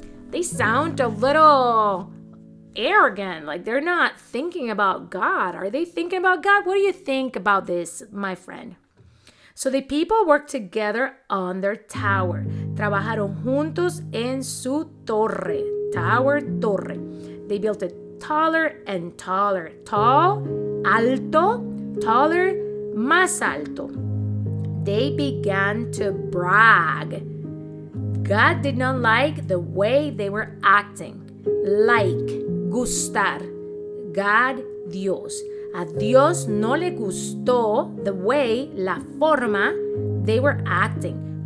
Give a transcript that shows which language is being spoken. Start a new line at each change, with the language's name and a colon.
English: They sound a little arrogant, like they're not thinking about God. Are they thinking about God? What do you think about this, my friend? So the people worked together on their tower.
Spanish: Trabajaron juntos en su torre.
English: Tower, torre. They built it taller and taller.
Spanish: Tall, alto, taller, más alto.
English: They began to brag. God did not like the way they were acting. Like, gustar.
Spanish: God, Dios. A Dios no le gustó the way, la forma, they were acting.